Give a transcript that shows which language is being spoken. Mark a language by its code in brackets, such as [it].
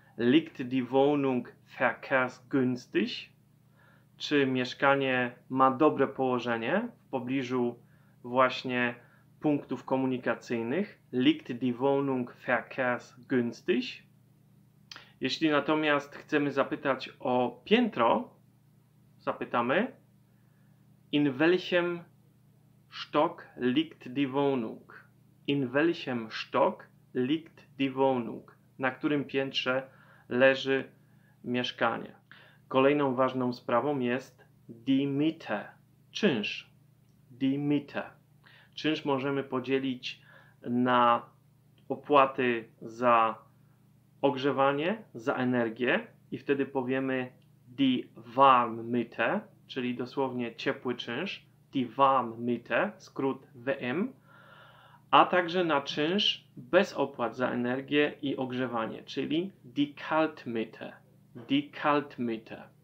[de] liegt die Wohnung verkehrsgünstig? [pl] Czy mieszkanie ma dobre położenie w pobliżu właśnie punktów komunikacyjnych? [de] Liegt die Wohnung verkehrsgünstig? [pl] Jeśli natomiast chcemy zapytać o piętro, zapytamy: [de] In welchem Stock liegt die Wohnung? In welchem Stock liegt die Wohnung? [pl] Na którym piętrze leży mieszkanie? Kolejną ważną sprawą jest die Miete, czynsz. Die Miete. Czynsz możemy podzielić na opłaty za ogrzewanie, za energię i wtedy powiemy die Warmmiete, czyli dosłownie ciepły czynsz, die Warmmiete, skrót WM, a także na czynsz bez opłat za energię i ogrzewanie, czyli die Kaltmiete, die Kaltmiete.